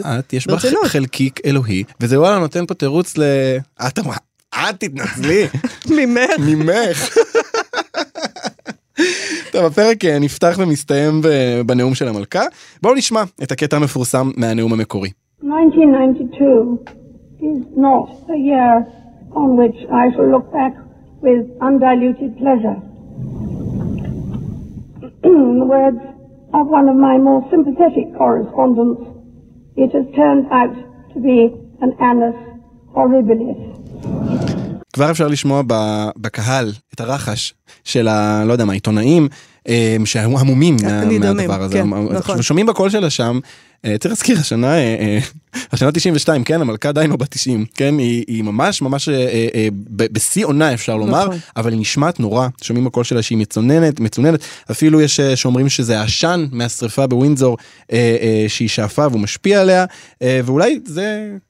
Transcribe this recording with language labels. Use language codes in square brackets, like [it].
[he] את, יש בך חלקיק אלוהי, וזה וואלה נותן פה תירוץ ל... את אמרה, את תתנצלי. ממך. ממך. טוב, הפרק נפתח ומסתיים בנאום של המלכה. בואו נשמע את הקטע המפורסם מהנאום המקורי. [en] 1992 is not a year on which I shall look back with undiluted pleasure. In the words of one of my more sympathetic correspondents, it has turned out to be an annus horribilis. [he] כבר אפשר לשמוע בקהל את הרחש של ה, לא יודע מה, העיתונאים, שהמומים מהדבר הזה. כן, נכון. שומעים בקול שלה שם, צריך להזכיר, השנה 92, כן, המלכה עדיין לא ב-90, כן, היא ממש ממש בשיא עונה, אפשר לומר, אבל היא נשמעת נורא, שומעים בקול שלה שהיא מצוננת, אפילו יש שאומרים שזה האשן מהשריפה בווינדזור, שהיא שאפה והוא משפיע עליה, ואולי זה...